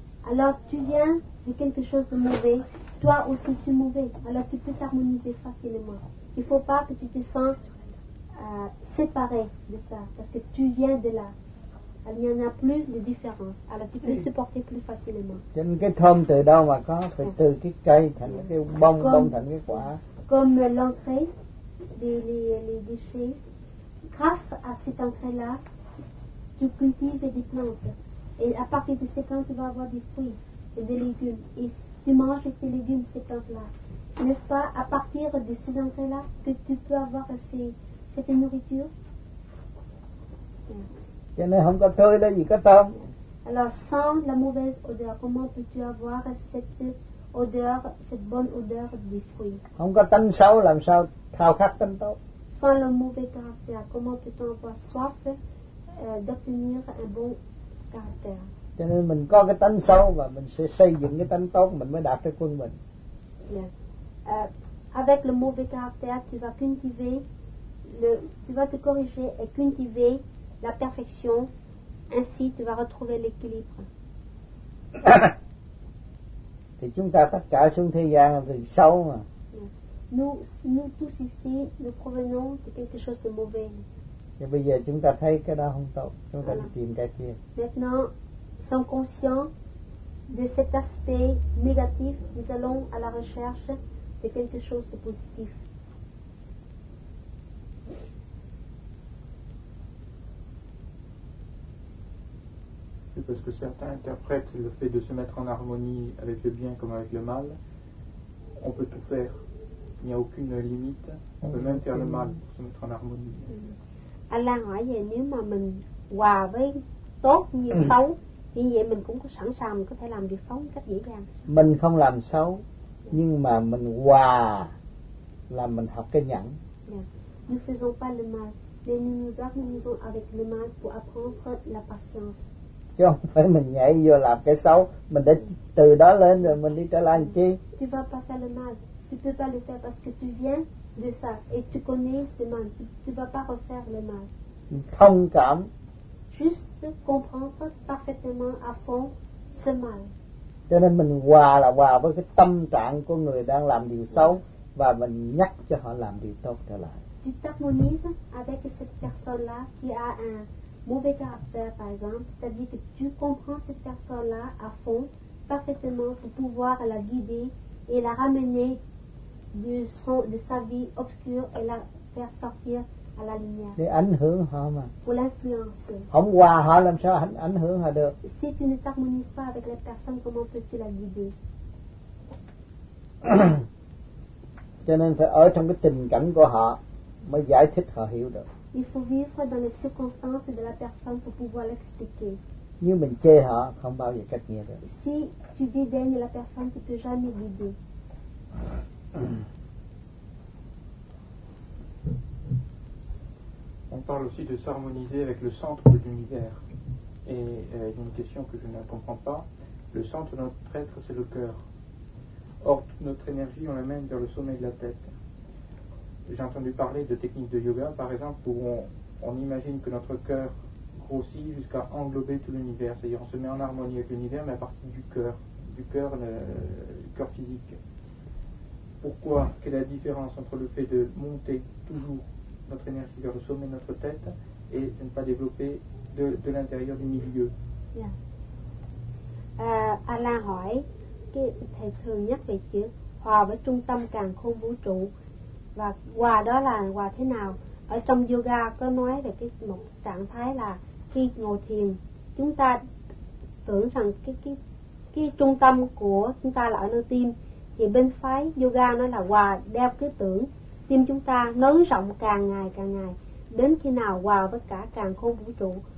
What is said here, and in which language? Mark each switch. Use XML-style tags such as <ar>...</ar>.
<fr>Alors tu viens de quelque chose de mauvais. Toi aussi tu es mauvais, alors tu peux t'harmoniser facilement. Il ne faut pas que tu te sentes séparé de ça, parce que tu viens de là. Il n'y en a plus de différence, alors tu peux supporter plus facilement.</fr> <vi>Trên cái thơm từ đâu mà có, phải từ cái cây thành cái bông, bông thành cái quả.</vi> <fr>Comme l'entrée des déchets, grâce à cette entrée-là, tu cultives des plantes. Et à partir de ces plantes, tu vas avoir des fruits et des légumes. Tu manges ces légumes, ces plantes-là. N'est-ce pas à partir de ces entrées-là que tu peux avoir cette nourriture? Alors, sans la mauvaise odeur, comment peux-tu avoir cette odeur, cette bonne odeur des fruits? Sans le mauvais caractère, comment peux-tu avoir soif d'obtenir un bon caractère?</fr> <vi>Cho nên mình có cái tánh xấu và mình sẽ xây dựng cái tánh tốt, mình mới đạt tới quân bình.</vi> <fr>Avec le mauvais caractère, tu vas cultiver, tu vas te corriger et cultiver la perfection. Ainsi, tu vas retrouver l'équilibre.</fr> <vi>Thì chúng ta tất cả xuống thế gian là từ xấu mà.</vi> <fr>Nous tous ici, nous provenons de quelque chose de mauvais.</fr> <vi>Thì bây giờ chúng ta thấy cái đó không tốt, chúng ta đi tìm cái kia.</vi> <fr>Maintenant, sont conscients de cet aspect négatif, nous allons à la recherche de quelque chose de positif. C'est parce que certains interprètent le fait de se mettre en harmonie avec le bien comme avec le mal. On peut tout faire, il n'y a aucune limite, on peut même faire le mal pour se mettre en harmonie.</fr> <vi>Alain,</vi> <fr>il y a une maman,</fr> <vi>hòa với tốt như xấu. Vì vậy mình cũng có sẵn sàng, mình có thể làm việc xấu một cách dễ dàng. Mình không làm xấu, nhưng mà mình hòa là mình học cái nhẫn.</vi> <fr>Nous faisons pas le mal, mais nous nous harmonisons avec le mal pour apprendre la patience.</fr> <vi>chứ không phải mình nhảy vô làm cái xấu, mình đã từ đó lên rồi mình đi trở lại làm chi.</vi> <fr>Tu vas pas faire le mal, tu peux pas le faire parce que tu viens de ça et tu connais ce mal, tu vas pas refaire le mal.</fr> <vi>Thông cảm,</vi> <fr>juste comprendre parfaitement à fond ce mal.</fr> <vi>Cho nên mình hòa là hòa với cái tâm trạng của người đang làm điều xấu và mình nhắc cho họ làm điều tốt trở lại.</vi> <fr>Tu t'harmonises avec cette personne là qui a un mauvais caractère par exemple, c'est-à-dire que tu comprends cette personne là à fond parfaitement pour pouvoir la guider et la ramener de son de sa vie obscure et la faire sortir à la lumière.</fr> <vi>Để ảnh hưởng họ mà.</vi> <fr>Pour l'influencer.</fr> <vi>Không hòa họ làm sao ảnh hưởng họ được?</vi> <fr>Si tu ne t'harmonises pas avec la personne, comment peux-tu la guider?</fr> <vi>Cho nên phải ở trong cái tình cảnh của họ mới giải thích họ hiểu được.</vi> <fr>Il faut vivre dans les circonstances de la personne pour pouvoir l'expliquer.</fr> <vi>Nhưng mình chê họ không bao giờ cách nghĩa được.</vi> <fr>Si tu vis bien la personne, tu peux jamais guider. On parle aussi de s'harmoniser avec le centre de l'univers. Et il y a une question que je ne comprends pas. Le centre de notre être, c'est le cœur. Or, toute notre énergie, on la mène vers le sommet de la tête. J'ai entendu parler de techniques de yoga, par exemple, où on imagine que notre cœur grossit jusqu'à englober tout l'univers. C'est-à-dire, on se met en harmonie avec l'univers, mais à partir du cœur physique. Pourquoi ? Quelle est la différence entre le fait de monter toujours notre énergie vers le sommet de notre tête et de ne pas développer de l'intérieur du milieu ?</fr> <vi>Alain hỏi, thầy thường nhắc về chữ hòa với trung tâm càn khôn vũ trụ, và hòa đó là hòa thế nào? Ở trong yoga có nói về cái một trạng thái là khi ngồi thiền, chúng ta tưởng rằng cái trung tâm của chúng ta là ở nơi tim, thì bên phái yoga nói là hòa đeo cái tưởng tim chúng ta nới rộng càng ngày đến khi nào hòa với cả càn khôn vũ trụ.</vi>